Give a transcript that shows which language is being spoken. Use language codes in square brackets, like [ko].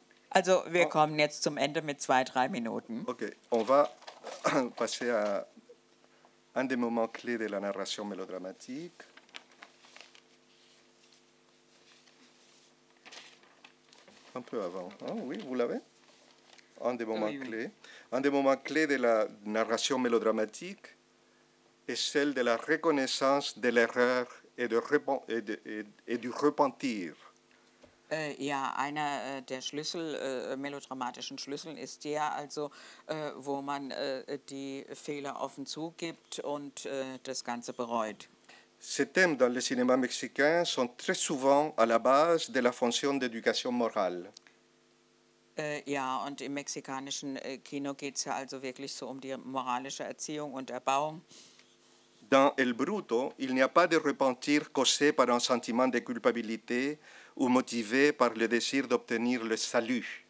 [de] Also, wir kommen jetzt zum Ende mit 2-3 Minuten. [fr] Okay, on va passer à un des moments clés de la narration mélodramatique. Un peu avant. Oh, oui, vous l'avez? Un des moments clés. Un des moments clés de la narration mélodramatique est celle de la reconnaissance de l'erreur et du repentir. [de] Ja, einer der Schlüssel, melodramatischen Schlüssel ist der, also wo man die Fehler offen zugibt und das Ganze bereut. [fr] Ces thèmes dans le cinéma mexicain sont très souvent à la base de la fonction d'éducation morale. [de] Ja, und im mexikanischen Kino geht es ja also wirklich so um die moralische Erziehung und Erbauung. [fr] Dans El Bruto, il n'y a pas de repentir causé par un sentiment de culpabilité ou motivé par le désir d'obtenir le salut.